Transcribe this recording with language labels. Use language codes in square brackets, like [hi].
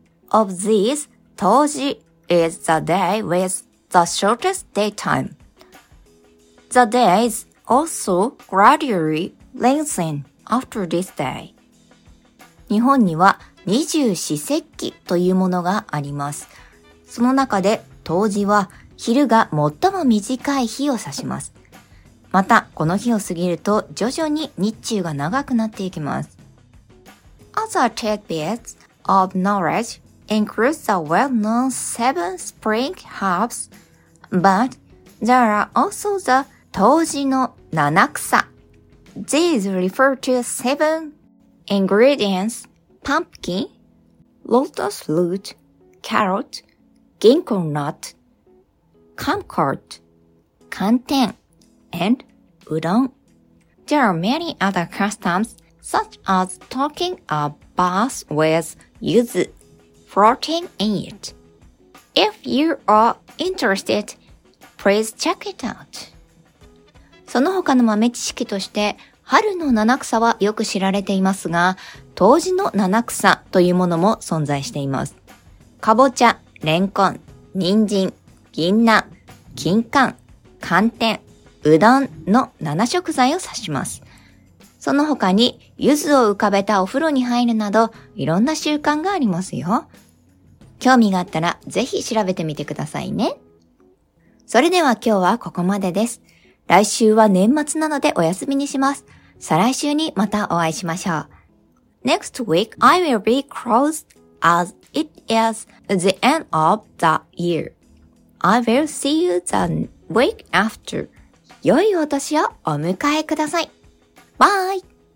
[en] Of these, 冬至 is the day with the shortest daytime. The days also gradually lengthen after this day. [ja] 日本には二十四節気というものがあります。その中で冬至は昼が最も短い日を指します。またこの日を過ぎると徐々に日中が長くなっていきます。 [en] Other tidbits of knowledge include the well-known seven spring herbs, but there are also the 冬至の七草。 These refer to sevenIngredients: pumpkin, lotus root, carrot, ginkgo nut, kumquat, [ja] 寒天 [en] and udon. There are many other customs such as taking a bath with yuzu, floating in it. If you are interested, please check it out. [ja] その他の豆知識として春の七草はよく知られていますが、冬至の七草というものも存在しています。かぼちゃ、れんこん、人参、銀杏、金柑、寒天、うどんの七食材を指します。その他に、柚子を浮かべたお風呂に入るなど、いろんな習慣がありますよ。興味があったら、ぜひ調べてみてくださいね。それでは今日はここまでです。来週は年末なのでお休みにします。再来週にまたお会いしましょう。 [en] Next week I will be closed as it is the end of the year. I will see you the week after. [ja] 良いお年をお迎えください。バイ!